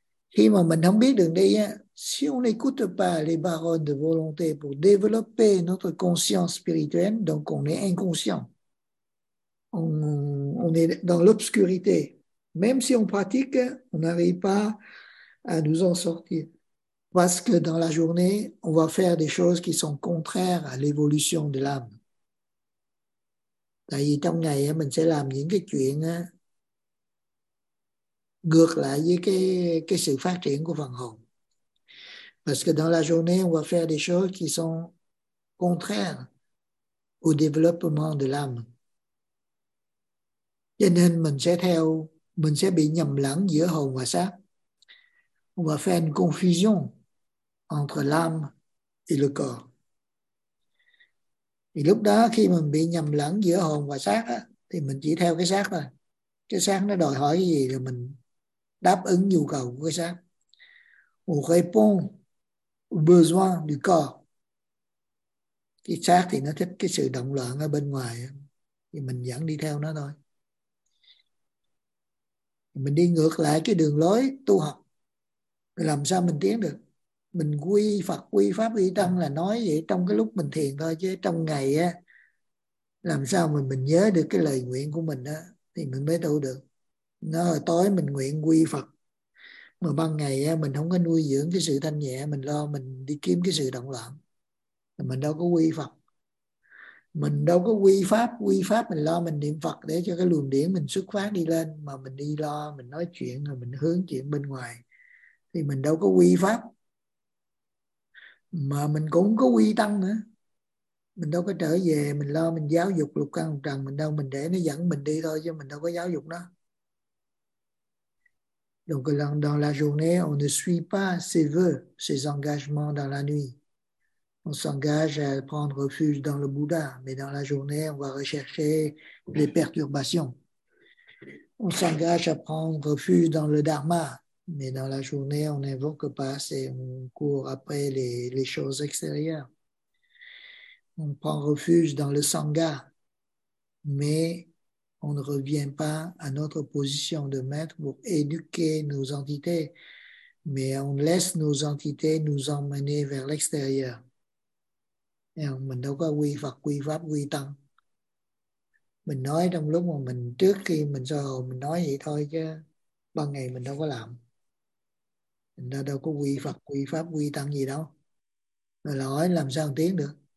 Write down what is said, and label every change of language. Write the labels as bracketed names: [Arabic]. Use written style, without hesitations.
[Vietnamese] Khi mà mình không biết đường đi, [French] si on n'écoute pas les paroles de volonté pour développer notre conscience spirituelle, donc on est inconscient. On est dans l'obscurité. Même si on pratique, on n'arrive pas à nous en sortir. Parce que dans la journée, on va faire des choses qui sont contraires à l'évolution de l'âme. [Vietnamese] Tại vì trong ngày mình sẽ làm những cái chuyện ngược lại với cái sự phát triển của phần hồn. [French] Parce que dans la journée, on va faire des choses qui sont contraires au développement de l'âme. [Vietnamese] Cho nên mình sẽ bị nhầm lẫn giữa hồn và xác. [French] On va faire une confusion entre l'âme et le corps. [Vietnamese] Thì lúc đó khi mình bị nhầm lẫn giữa hồn và xác thì mình chỉ theo cái xác thôi. Cái xác nó đòi hỏi cái gì thì mình đáp ứng nhu cầu của cái xác. [French] On répond aux besoins du corps. [Vietnamese] Cái xác thì nó thích cái sự động loạn ở bên ngoài thì mình vẫn đi theo nó thôi. Mình đi ngược lại cái đường lối tu học. Làm sao mình tiến được? Mình quy Phật, quy Pháp, quy Tăng là nói vậy trong cái lúc mình thiền thôi. Chứ trong ngày á, làm sao mình nhớ được cái lời nguyện của mình á, thì mình mới tu được. Nó hồi tối mình nguyện quy Phật. Mà ban ngày á, mình không có nuôi dưỡng cái sự thanh nhẹ, mình lo mình đi kiếm cái sự động loạn. Mình đâu có quy Phật. Mình đâu có quy Pháp mình lo mình niệm Phật để cho cái luồng điển mình xuất phát đi lên. Mà mình đi lo, mình nói chuyện, rồi mình hướng chuyện bên ngoài. Thì mình đâu có quy Pháp. Mà mình cũng có quy Tăng nữa. Mình đâu có trở về, mình lo mình giáo dục lục căn lục trần mình đâu. Mình để nó dẫn mình đi thôi, chứ mình đâu có giáo dục nó. [French] Donc dans la journée, on ne suit pas ses vœux, ses engagements dans la nuit. On s'engage à prendre refuge dans le Bouddha, mais dans la journée, on va rechercher les perturbations. On s'engage à prendre refuge dans le Dharma, mais dans la journée, on n'invoque pas, c'est on court après les choses extérieures. On prend refuge dans le Sangha, mais on ne revient pas à notre position de maître pour éduquer nos entités, mais on laisse nos entités nous emmener vers l'extérieur. [Vietnamese] Mình đâu có quy Phật, quy Pháp, quy Tăng. Mình nói trong lúc mà mình trước khi mình soi hồn mình nói vậy thôi chứ ban ngày mình đâu có làm. Mình đâu có quy Phật, quy Pháp, quy Tăng gì đâu. Rồi hỏi làm sao tiến được.